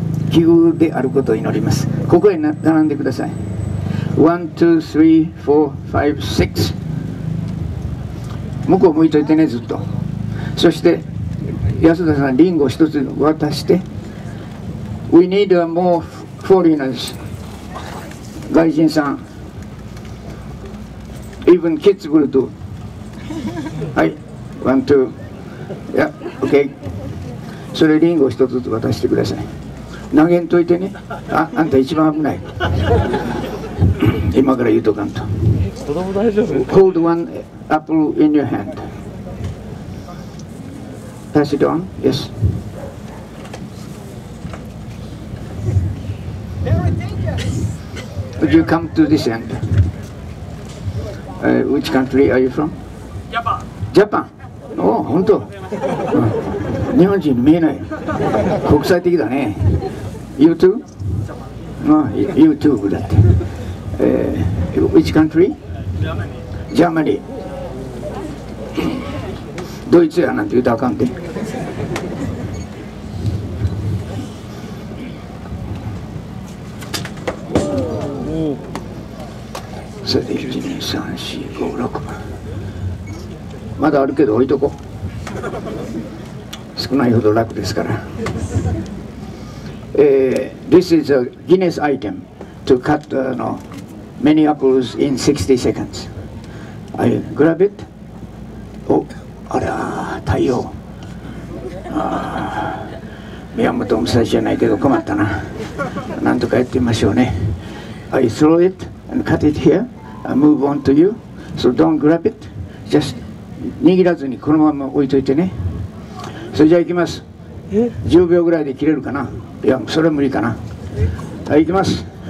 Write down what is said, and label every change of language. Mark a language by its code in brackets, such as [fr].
[ja] 奇遇であることを祈ります。ここへ並んでください。 1、2、3、4、5、6。向こう向いといてね、ずっと。そして、安田さん、リンゴを一つ渡して。 [en] We need more foreigners. [ja] 外人さん。 [en] Even kids will do. [ja] はい。 [en] 1、2。 Yeah, OK。 [ja] それ、リンゴを一つずつ渡してください。投げんといてね。あんた一番危ない。今から言うとかんと。子供大丈夫。 [en] Hold one apple in your hand. Pass it on. Yes. Would you come to this end? Which country are you from? Japan. Japan? [ja] Oh, 本当。日本人見えない。国際的だね。 [en] You too? Japan. Oh, you too, [ja] だって。 [en] Which country? Germany. Germany. [ja] ドイツやなんて言うたらあかんて。それで1、2、3、4、5、6。まだあるけど置いとこ。少ないほど楽ですから。 [en] This is a Guinness item to cut many apples in 60 seconds. I grab it. [ja] あら、太陽。宮本武蔵じゃないけど困ったな。なんとかやってみましょうね。 [en] I throw it and cut it here. I move on to you, so don't grab it. [ja] Just 握らずにこのまま置いといてね。それじゃあ行きます。 10秒ぐらいで切れるかな。いや、それは無理かな。はい、行きます。